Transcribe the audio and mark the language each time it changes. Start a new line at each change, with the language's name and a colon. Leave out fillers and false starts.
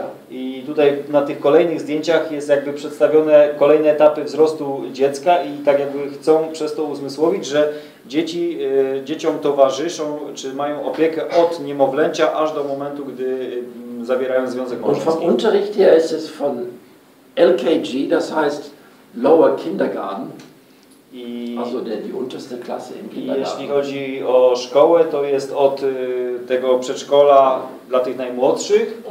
Polish: I tutaj na tych kolejnych zdjęciach jest jakby przedstawione kolejne etapy wzrostu dziecka i tak jakby chcą przez to uzmysłowić, że dzieci dzieciom towarzyszą, czy mają opiekę od niemowlęcia aż do momentu, gdy zawierają związek małżeński.
German: Und vom Unterricht her ist es von LKG, das heißt
English: lower kindergarten.
German: I, also die unterste Klasse im Kindergarten.
Polish: Jeśli chodzi o szkołę, to jest od tego przedszkola dla tych najmłodszych.